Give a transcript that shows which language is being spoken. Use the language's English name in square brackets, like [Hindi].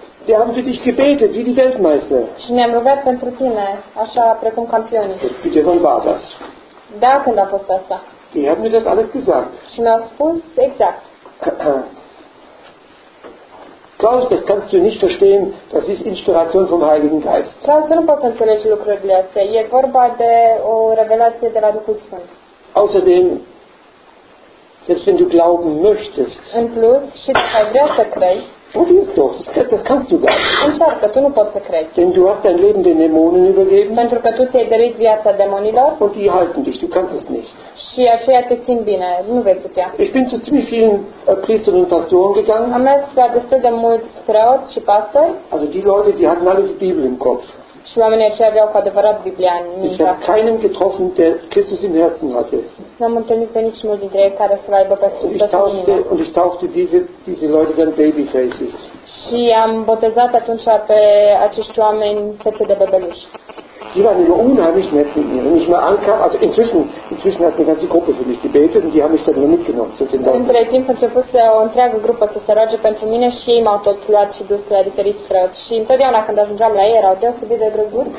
[German] wir haben für dich gebetet, wie die Weltmeister. [Romanian] Și ne-am rugat pentru tine, așa precum campioni. [German] Bitte, wann war das? [Romanian] Da, când a fost asta. [German] Die haben mir das alles gesagt. [Romanian] Și mi-au spus exact. [German] Klaus, das kannst du nicht verstehen, das ist Inspiration vom Heiligen Geist. [Romanian] Klaus, nu poți înțelege lucrurile astea, e vorba de o revelație de la Duhul Sfânt. [German] Außerdem, selbst wenn du glauben möchtest, [Romanian] în plus, și dacă ai vrea să crezi, [German] probier's doch, das kannst du gar nicht. [Romanian] Încearcă, tu nu poți să crezi. [German] Denn du hast dein Leben den Dämonen übergeben. [Romanian] Pentru că tu ți-ai dăruit viața demonilor. [German] Und die halten dich, du kannst es nicht. [Romanian] Și aceia te țin bine, nu vei putea. [German] Ich bin zu ziemlich vielen Priestern und Pastoren gegangen. [Romanian] Am mers la destul de mulți preoți și pastori. [German] Also die Leute, die hatten alle die Bibel im Kopf. [Romanian] Și oamenii aceia aveau cu adevărat Biblia în minte. [German] Ich habe keinen getroffen, der Christus im Herzen hatte. [Romanian] N-am întâlnit pe nici unul dintre ei care să aibă pe Sfântul Duh. Și [German] taufte diese Leute dann Babyfaces. [Romanian] Și am botezat atunci pe acești oameni fețe de bebeluși. [German] Die waren immer unheimlich nett mit mir. Wenn ich mal ankam, also inzwischen hat die ganze Gruppe für mich gebetet und die haben mich dann nur mitgenommen. So sind dann. [Romanian] Între timp a început o întreagă grupă să se roage pentru mine și ei m-au tot luat și dus la diferiți preoți. Și întotdeauna când ajungeam la ei, erau deosebit de drăguți.